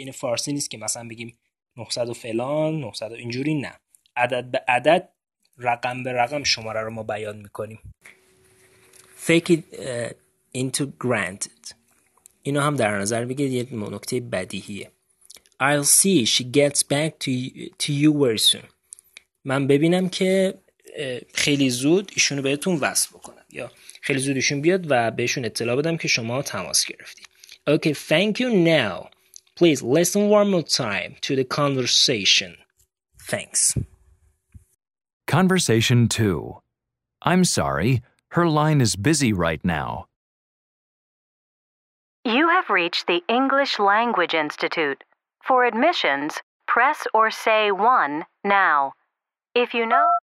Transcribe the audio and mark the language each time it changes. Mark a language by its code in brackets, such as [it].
[fa] این فارسی نیست که مثلا بگیم 900 و فلان 900 و اینجوری، نه. عدد به عدد، رقم به رقم شماره رو ما بیان میکنیم. [en] Take it into granted. [fa] اینو هم در نظر بگیرید، یه نکته بدیهیه. [en] I'll see she gets back to you very soon. [fa] من ببینم که خیلی زود ایشونو بهتون وصل بکنم، یا خیلی زود ایشون بیاد و بهشون اطلاع بدم که شما تماس گرفتید. [en] Okay, thank you now. Please listen one more time to the conversation. Thanks. Conversation 2. I'm sorry, her line is busy right now. You have reached the English Language Institute. For admissions, press or say 1 now. If you know...